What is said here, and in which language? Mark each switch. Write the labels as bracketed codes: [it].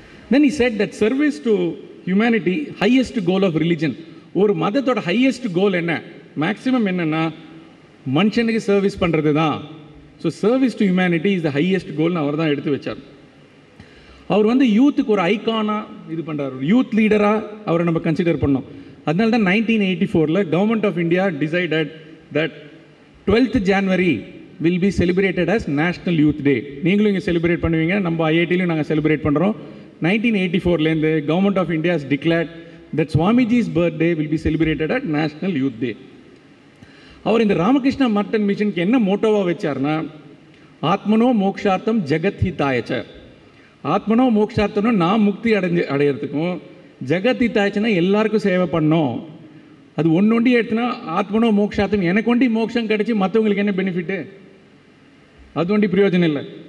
[en] Then he said that service to humanity, highest goal of religion. [ta] ஒரு மதத்தோட highest கோல் என்ன maximum என்னன்னா மனுஷனுக்கு service பண்ணுறது தான். [en] so service to humanity is the highest கோல்னு [ta] அவர் தான் எடுத்து வச்சார். அவர் வந்து யூத்துக்கு ஒரு ஐக்கானாக இது பண்ணுறாரு, யூத் லீடராக அவரை நம்ம கன்சிடர் பண்ணோம். அதனால தான் [en] 1984 government of India decided that 12th January will be celebrated as National Youth Day. [ta] நீங்களும் இங்கே செலிப்ரேட் பண்ணுவீங்க, நம்ம ஐஐடிலையும் நாங்கள் செலிப்ரேட் பண்ணுறோம். [en] 1984 government of India declared that Swamiji's birthday will be celebrated at National Youth Day. [ta] அவர் இந்த ராமகிருஷ்ண மட்டன் மிஷனுக்கு என்ன மோட்டோவாக வச்சார்னா, [sa] ஆத்மனோ மோக்ஷார்த்தம் ஜெகத் ஹிதாயச்ச. [ta] ஆத்மனோ மோக்ஷார்த்தம்னு நான் முக்தி அடையிறதுக்கும், ஜெகத் ஹிதாயச்சனா எல்லாருக்கும் சேவை பண்ணோம். அது ஒன்று ஒண்டி எடுத்துனா ஆத்மனோ மோக்ஷார்த்தம், எனக்கு ஒண்டி மோட்சம் கிடச்சி மற்றவங்களுக்கு என்ன பெனிஃபிட்டு, அது ஒண்டி பிரயோஜனம் இல்லை.